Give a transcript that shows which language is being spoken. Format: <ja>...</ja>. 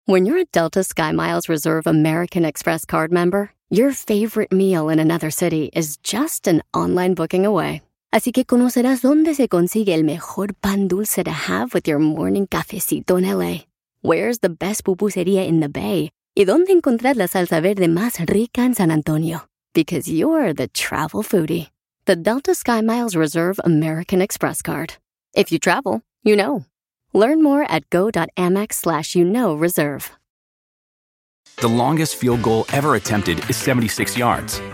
<en>When you're a Delta SkyMiles Reserve American Express card member, your favorite meal in another city is just an online booking away.</en> <es>Así que conocerás dónde se consigue el mejor pan dulce</es> <en>to have with your morning</en> <es>cafecito en LA.</es> <en>Where's the best pupusería in the Bay?</en> <es>¿Y dónde encontrar la salsa verde más rica en San Antonio?</es> <en>Because you're the travel foodie. The Delta SkyMiles Reserve American Express card. If you travel, you know. Learn more at go.amex/reserve. The longest field goal ever attempted is 76 yards.</en>